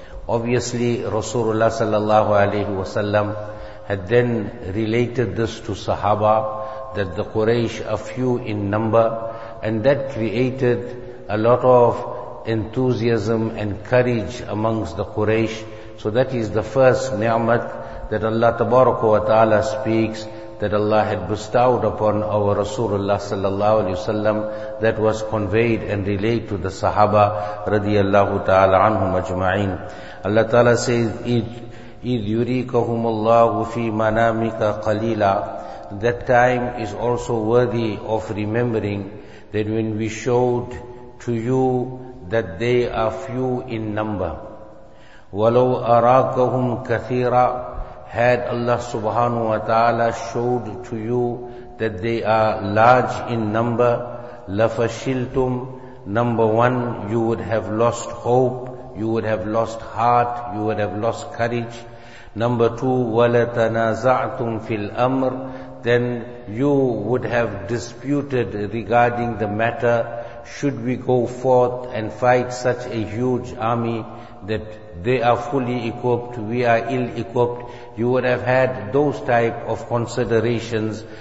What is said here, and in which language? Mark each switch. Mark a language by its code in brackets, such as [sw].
[en] Obviously, Rasulullah sallallahu alayhi wa sallam had then related this to Sahaba, that the Quraysh are few in number, and that created a lot of enthusiasm and courage amongst the Quraysh. So that is the first ni'mat that Allah tabaraka wa ta'ala speaks, that Allah had bestowed upon our Rasulullah sallallahu alayhi wa sallam, that was conveyed and relayed to the Sahaba radiallahu ta'ala anhum ajma'in. Allah ta'ala says, [ar] إِذْ يُرِيكَهُمُ اللَّهُ فِي مَنَامِكَ قَلِيلًا. [en] That time is also worthy of remembering that when we showed to you that they are few in number. [ar] وَلَوْ أَرَاكَهُمْ كَثِيرًا. [en] Had Allah subhanahu wa ta'ala showed to you that they are large in number, لَفَشِلْتُمْ. Number one, you would have lost hope, you would have lost heart, you would have lost courage. Number two, [ar] وَلَتَنَازَعْتُمْ فِي الْأَمْرِ. [en] Then you would have disputed regarding the matter, should we go forth and fight such a huge army that they are fully equipped, we are ill-equipped. You would have had those type of considerations.